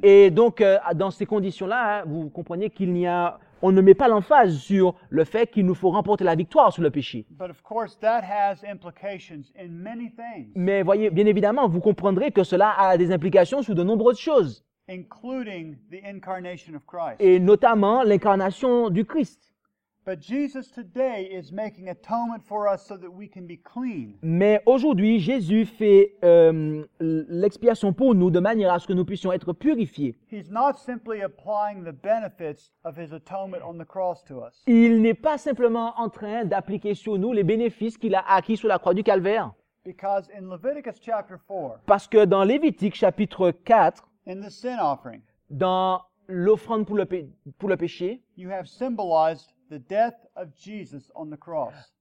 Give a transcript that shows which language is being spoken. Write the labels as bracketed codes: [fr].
[fr] Et donc dans ces conditions là, vous comprenez qu'il n'y a on ne met pas l'emphase sur le fait qu'il nous faut remporter la victoire sur le péché. [en] But of course that has implications in many things. [fr] Mais voyez, bien évidemment, vous comprendrez que cela a des implications sur de nombreuses choses. [en] Including the incarnation of Christ. [fr] Et notamment l'incarnation du Christ. [en] But Jesus today is making atonement for us so that we can be clean. [fr] Mais aujourd'hui, Jésus fait l'expiation pour nous de manière à ce que nous puissions être purifiés. [en] He's not simply applying the benefits of his atonement on the cross to us. [fr] Il n'est pas simplement en train d'appliquer sur nous les bénéfices qu'il a acquis sur la croix du calvaire. [en] Because in Leviticus chapter 4. [fr] Parce que dans Lévitique chapitre 4. [en] In the sin offering. [fr] Dans l'offrande pour le péché. [en] You have symbolized the death of Jesus on the cross.